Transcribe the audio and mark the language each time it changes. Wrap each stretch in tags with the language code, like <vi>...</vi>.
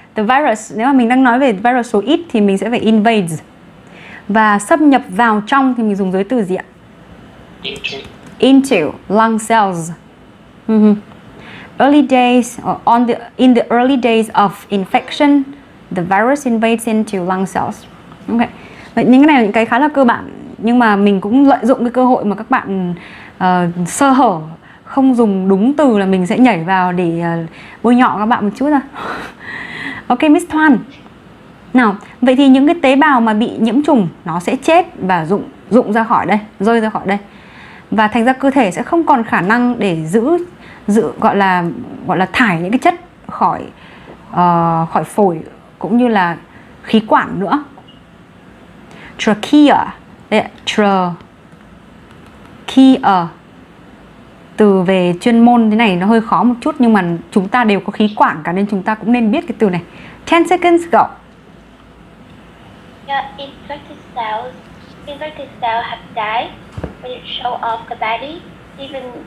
<en>The virus,</en> <vi>nếu mà mình đang nói về virus số ít thì mình sẽ phải invade. Và xâm nhập vào trong thì mình dùng giới từ gì ạ?</vi> <en>Into. Into lung cells. Early days, in the early days of infection, the virus invades into lung cells.</en> <vi>Ok, vậy những cái này là những cái khá là cơ bản. Nhưng mà mình cũng lợi dụng cái cơ hội mà các bạn sơ hở, không dùng đúng từ là mình sẽ nhảy vào để bôi nhọ các bạn một chút thôi. Ok, Miss Thoan. Nào, vậy thì những cái tế bào mà bị nhiễm trùng nó sẽ chết và rụng ra khỏi đây, rơi ra khỏi đây. Và thành ra cơ thể sẽ không còn khả năng để giữ gọi là thải những cái chất khỏi khỏi phổi cũng như là khí quản nữa. Trachea. Đây, trachea. Từ về chuyên môn thế này nó hơi khó một chút nhưng mà chúng ta đều có khí quản cả nên chúng ta cũng nên biết cái từ này.</vi> <en>10 seconds go. Your infected cells have died when it show off the body, even.</en>